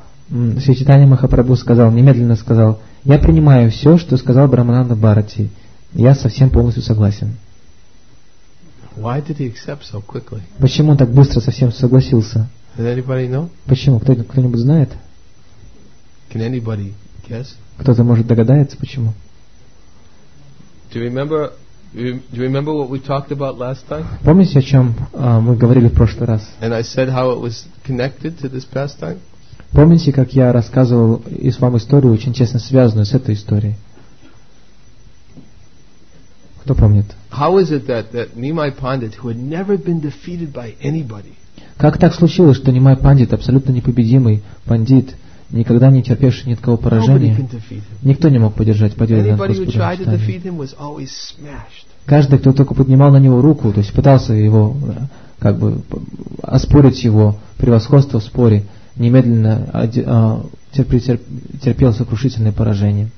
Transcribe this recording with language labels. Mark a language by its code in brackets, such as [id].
[ru] Шри Чайтанья Махапрабху сказал, немедленно сказал, я принимаю все, что сказал Брамананда Бхарати. Я совсем полностью согласен. [en] Why did he accept so quickly? [ru] Почему он так быстро совсем согласился? [en] Does anybody know? [ru] Почему? Кто-нибудь знает? [en] Can anybody guess? [ru] Кто-то может догадается, почему? [en] Do you remember what we talked about last time? [ru] Помните, о чем мы говорили в прошлый раз? [en] And I said how it was connected to this pastime? [ru] Помните, как я рассказывал вам историю, очень тесно связанную с этой историей? Кто помнит? [en] How is it that Nimai Pandit, who had never been defeated by anybody? [ru] Как так случилось, что Нимай Пандит, абсолютно непобедимый пандит, никогда не терпевший ни от кого поражения, никто не мог подержать победу над Господом Читане. Каждый, кто только поднимал на него руку, то есть пытался его, как бы, оспорить его превосходство в споре, немедленно терпел сокрушительное поражение.